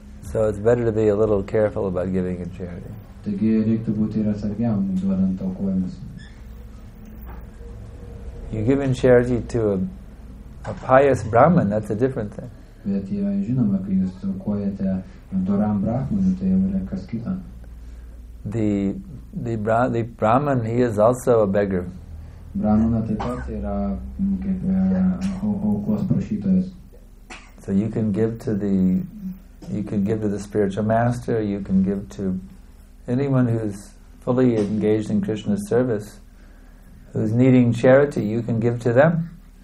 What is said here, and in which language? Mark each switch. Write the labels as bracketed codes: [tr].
[en] So it's better to be a little careful about giving in charity. [lt] Taigi reiktų būti ir atsargiam duodant aukojimus. [en] You give in charity to a pious Brahman, that's a different thing. [lt] Bet yra žinoma, kai jūs aukojate doram Brahmanui, tai jau yra kas kita. [en] The Brahman, he is also a beggar. [lt] Brahmana taip pat yra kaip aukos prašytojas. [en] So you can give to the spiritual master, you can give to anyone who's fully engaged in Krishna's service, who's needing charity, you can give to them.